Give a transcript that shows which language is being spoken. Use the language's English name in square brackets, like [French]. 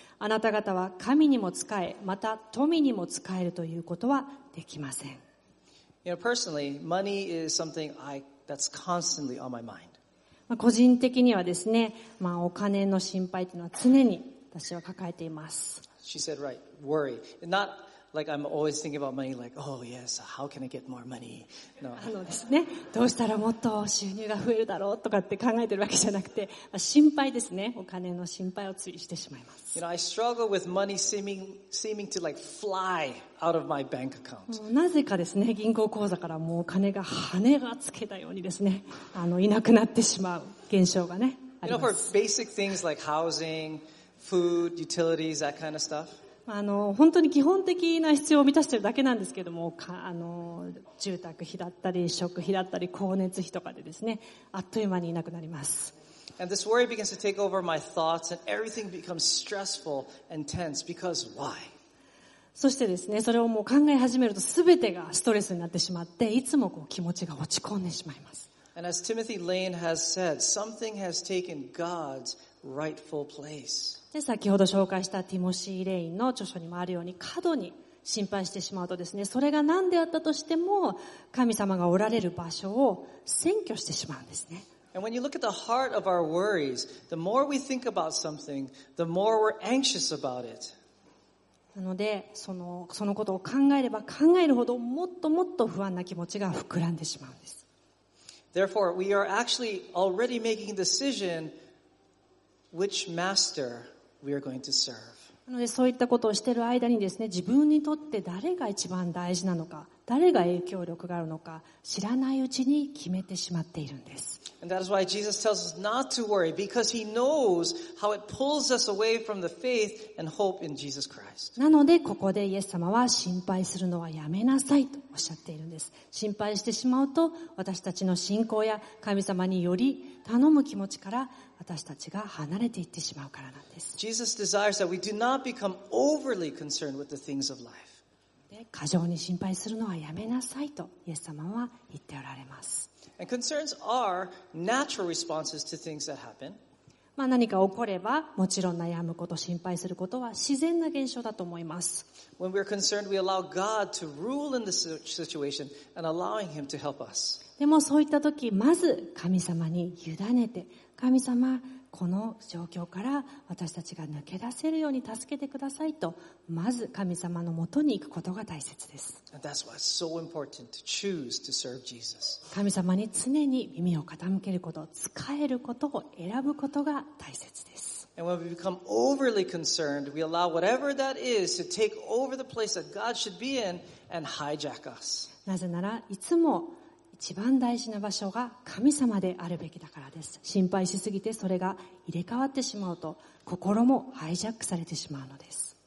[Japanese] あなた方は神にも仕え、また富にも仕えるということはできません。 [English] You know, personally, money is something that's constantly on my mind. [Japanese] 個人的にはですね、まあお金の心配というのは常に私は抱えています。 [English] She said, right, worry. Not like I'm always thinking about money, like, oh yes, how can I get more money? No. [Japanese] あのですね、どうしたらもっと収入が増えるだろうとかって考えてるわけじゃなくて、まあ、心配ですね、お金の心配をついしてしまいます。 [English] You know, I struggle with money seeming to like fly out of my bank account. [Japanese] なぜかですね、銀行口座からもうお金が羽がつけたようにですね、あのいなくなってしまう現象がね、あります。 [English] You know, for basic things like housing, food, utilities, that kind of stuff. [Japanese] あの本当に基本的な必要を満たしているだけなんですけども、あの住宅費だったり食費だったり光熱費とかでですね、あっという間にいなくなります。 [English] And this worry begins to take over my thoughts and everything becomes stressful and tense because why? [Japanese] そしてですね、それをもう考え始めると全てがストレスになってしまって、いつもこう気持ちが落ち込んでしまいます。 [English] And as Timothy Lane has said, something has taken God's rightful place. [Japanese] で、先ほど紹介したティモシー・レインの著書にもあるように、過度に心配してしまうとですね、それが何であったとしても神様がおられる場所を占拠してしまうんですね。 [English] And when you look at the heart of our worries, the more we think about something, the more we're anxious about it. [Japanese] なのでそのことを考えれば考えるほど、もっともっと不安な気持ちが膨らんでしまうんです。 [English] Therefore, we are actually already making a decision which master. We are going to serve. [Japanese] なのでそういったことをしている間にですね、自分にとって誰が一番大事なのか、誰が影響力があるのか知らないうちに決めてしまっているんです。 [English] And that is why Jesus tells us not to worry, because he knows how it pulls us away from the faith and hope in Jesus Christ. [Japanese] なのでここでイエス様は心配するのはやめなさいとおっしゃっているんです。心配してしまうと私たちの信仰や神様により頼む気持ちから私たちが離れていってしまうからなんです。 [English] Jesus desires that we do not become overly concerned with the things of life. [Japanese] で、過剰に心配するのはやめなさいとイエス様は言っておられます。 [English] And concerns are natural responses to things that happen. [Japanese] まあ何か起これば、もちろん悩むこと、心配することは自然な現象だと思います。 [English] When we're concerned, we allow God to rule in the situation and allowing Him to help us. [Japanese] でもそういった時、まず神様に委ねて、神様、この状況から私たちが抜け出せるように助けてくださいと、まず神様のもとに行くことが大切です。 [English] That's why it's so important to choose to serve Jesus. [Japanese] 神様に常に耳を傾けること、仕えることを選ぶことが大切です。 [English] And when we become overly concerned, we allow whatever that is to take over the place that God should be in and hijack us. [Japanese] なぜなら、いつも一番大事な場所が神様であるべきだからです。心配しすぎてそれが入れ替わってしまうと、心もハイジャックされてしまうのです。